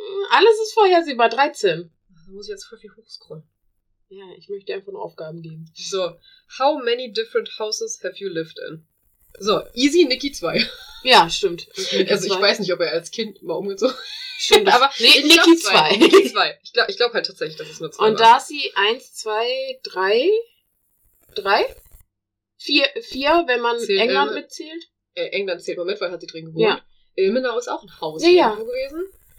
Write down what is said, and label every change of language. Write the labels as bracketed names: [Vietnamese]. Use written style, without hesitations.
[German] Alles ist vorhersehbar, 13. Da muss ich jetzt voll viel hochscrollen. Ja, ich möchte einfach nur Aufgaben geben. [English] So, how many different houses have you lived in? So, easy, Niki 2. [German] Ja, stimmt. Okay, also, ich weiß nicht, ob er als Kind mal umgezogen ist. Stimmt, aber nee, Niki 2. Niki 2. Ich glaub halt tatsächlich, dass es nur 2 und war. Und Darcy 1, 2, 3? 3? 4, wenn man zählt England mitzählt? England zählt man mit, weil hat sie drin gewohnt. Ja. Ilmenau ist auch ein Haus gewesen.